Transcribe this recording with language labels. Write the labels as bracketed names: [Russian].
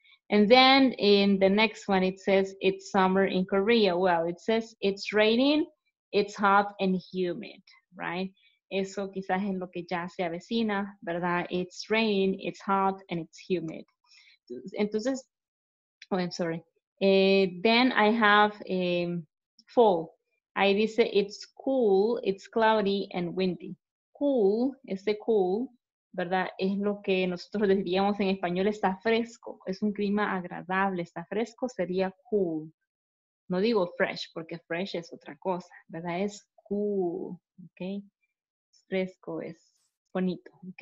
[English] And then in the next one, it says it's summer in Korea. Well, it says it's raining, it's hot and humid, right? [Spanish] Eso quizás es lo que ya se avecina, ¿verdad? [English] It's raining, it's hot and it's humid. Entonces, oh, I'm sorry. Then I have fall. [Spanish] Ahí dice [English] it's cool, it's cloudy and windy. [Spanish] Cool, ese cool. ¿Verdad? Es lo que nosotros diríamos en español, está fresco, es un clima agradable, está fresco, sería cool. No digo fresh, porque fresh es otra cosa, ¿verdad? Es cool, ¿ok? Es fresco, es bonito, ¿ok?